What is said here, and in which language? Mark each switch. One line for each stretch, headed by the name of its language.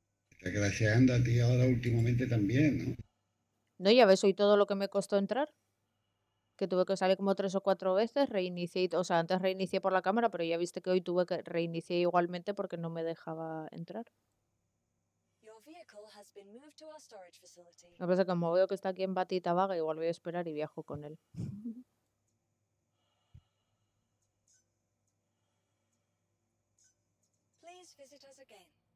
Spanish: Está craseando a ti ahora últimamente también, ¿no? No, ya ves, hoy todo lo que me costó entrar. Que tuve que salir como 3 o 4 veces, reinicié, o sea, antes reinicié por la cámara, pero ya viste que hoy tuve que reinicié igualmente porque no me dejaba entrar.
English: Your vehicle has been moved to our storage facility.
Spanish: Lo que pasa es que como veo que está aquí en batita vaga, igual voy a esperar y viajo con él.
English: Please visit us again.